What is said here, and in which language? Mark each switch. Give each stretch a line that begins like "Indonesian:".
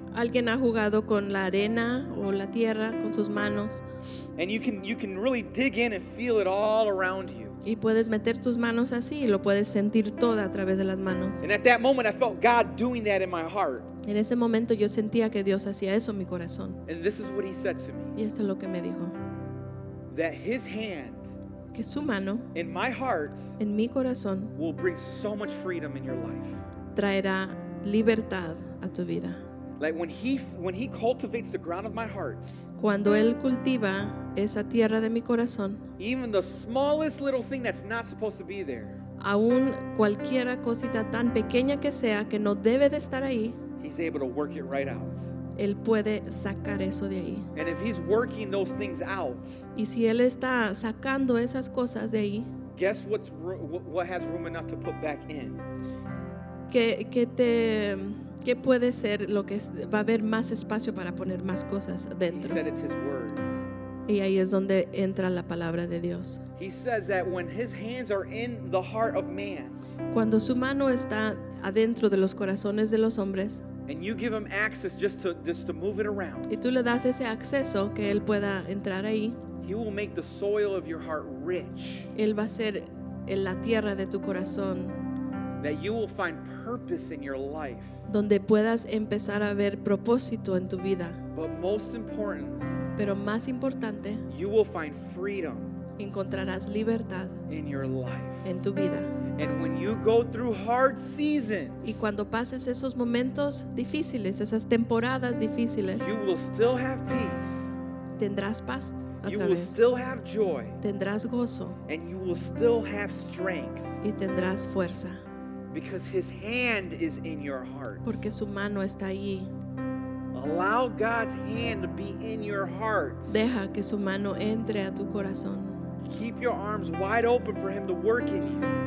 Spanish: ¿Alguien ha jugado con la arena o la tierra con sus manos?
English: And you can really dig in and feel it all around you.
Spanish: Y puedes meter tus manos así y lo puedes sentir toda a través de las manos.
English: And at that moment I felt God doing that in my heart.
Spanish: En ese momento yo sentía que Dios hacía eso en mi corazón.
English: And this is what he said to me.
Spanish: Y esto es lo que me dijo.
English: That his hand,
Spanish: que su mano,
English: in my heart,
Spanish: en mi corazón,
English: will bring so much freedom in your life.
Spanish: Traerá libertad a tu vida.
English: Like when he cultivates the ground of my heart,
Spanish: cuando él cultiva esa tierra de mi corazón,
English: even the smallest little thing that's not supposed to be there,
Spanish: aún cualquiera cosita tan pequeña que sea que no debe de estar ahí,
English: he's able to work it right out.
Spanish: Él puede sacar eso de ahí.
English: And if he's working those things out,
Spanish: y si él está sacando esas cosas de ahí,
English: guess what has room enough to put back in?
Spanish: ¿Qué puede ser lo que va a haber más espacio para poner más cosas dentro?
English: He said it's his word.
Spanish: Y ahí es donde entra la palabra de Dios.
English: He says that when his hands are in the heart of man,
Spanish: cuando su mano está adentro de los corazones de los hombres,
English: and you give him access just to move it around,
Spanish: y tú le das ese acceso que él pueda entrar ahí,
English: he will make the soil of your heart rich.
Spanish: Él va a ser en la tierra de tu corazón.
English: That you will find purpose in your life.
Spanish: Donde puedas empezar a ver propósito en tu vida.
English: But most important,
Spanish: pero más importante,
English: you will find freedom.
Spanish: Encontrarás libertad
English: in your life.
Spanish: En tu vida.
English: And when you go through hard seasons,
Spanish: y cuando pases esos momentos difíciles, esas temporadas difíciles,
English: you will still have peace.
Spanish: Tendrás paz.
English: You will still have joy.
Spanish: Tendrás gozo.
English: And you will still have strength.
Spanish: Y tendrás fuerza.
English: Because his hand is in your heart.
Spanish: Porque su mano está allí.
English: Allow God's hand to be in your heart.
Spanish: Deja que su mano entre a tu corazón.
English: Keep your arms wide open for him to work in you.